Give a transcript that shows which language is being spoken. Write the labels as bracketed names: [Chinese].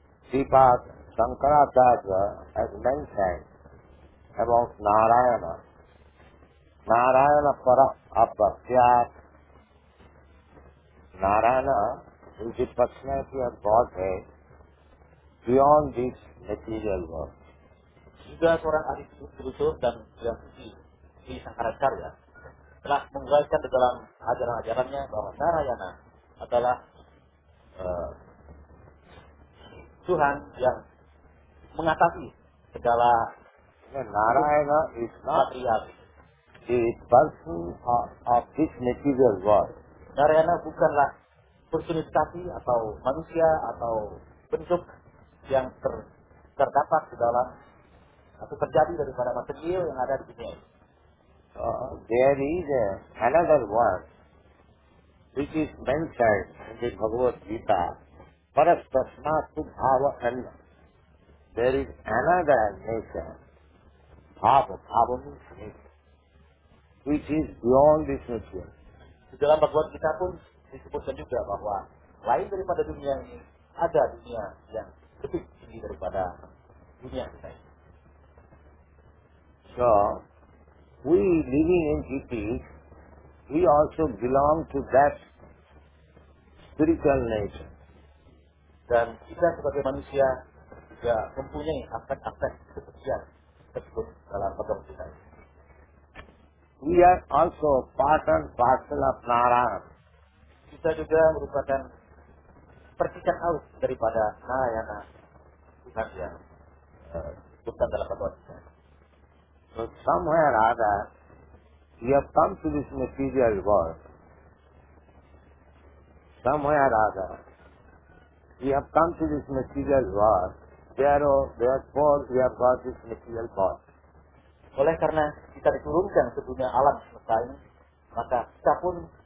[English] Sipat Shankaracharya has mentioned about Narayana. [Sanskrit] Narayana para apasyat. [English] Narayana is the personality of Godhead beyond this material world. [Indonesian] Juga seorang ahli filsuf dan yang suci di Shankaracharya telah menggaliskan di dalam ajaran-ajarannya bahwa Narayana adalah Tuhan yang mengatasi segala [English] Narayana is not material. The person of this material world. [Indonesian] Narayana bukanlah personifikasi atau manusia atau bentuk yang terdapat di dalam atau terjadi daripada material yang ada di dunia. [English] There is another world which is mentioned in the Bhagavad Gita. [Sanskrit] Parastasmatu bhava anna. [English] There is another nature, bhava, bhava means nature, which is beyond this material. [Indonesian] Di dalam Bhagavad Gita pun disebutkan juga bahwa lain daripada dunia ini, ada dunia yang lebih tinggi daripada dunia kita ini. [English] So, we living in GP, we also belong to that spiritual nature. [Indonesian] Dan kita sebagai manusia juga mempunyai aspek-aspek kesucian tersebut dalam bagian kita. [English] We are also part and parcel of Narayana. [Indonesian] Kita juga merupakan percikan haus daripada Narayana. Bukan dia. Bukan dalam bagian kita. [English] So somewhere other, we have come to this material world. Somewhere other, we have come to this material world, therefore we have got this material body. [Indonesian] Oleh karena kita diturunkan ke dunia alam semesta ini, maka kita pun